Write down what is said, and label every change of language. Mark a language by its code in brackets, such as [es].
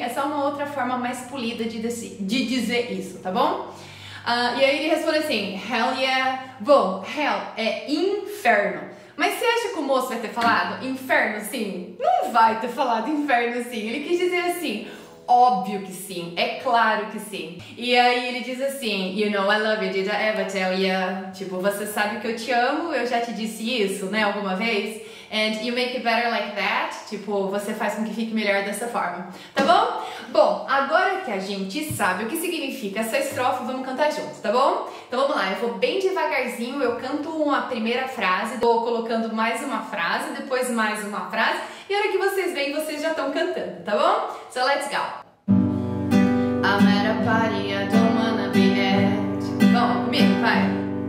[pt] É só uma outra forma mais polida de dizer isso, tá bom? E aí ele responde assim, [en] hell yeah. [pt] Bom, hell é inferno. Mas você acha que o moço vai ter falado inferno sim? Não vai ter falado inferno sim. Ele quis dizer assim, óbvio que sim, é claro que sim. E aí ele diz assim, [en] you know I love you, did I ever tell you? [pt] Tipo, você sabe que eu te amo, eu já te disse isso, né, alguma vez? [en] And you make it better like that. [pt] Tipo, você faz com que fique melhor dessa forma. Tá bom? Bom, agora que a gente sabe o que significa essa estrofe, vamos cantar juntos, tá bom? Então vamos lá, eu vou bem devagarzinho, eu canto uma primeira frase, vou colocando mais uma frase, depois mais uma frase, e a hora que vocês veem, vocês já estão cantando, tá bom? [en] So let's go! I'm at a party, I don't wanna be at. [pt] Bom, comigo, vai!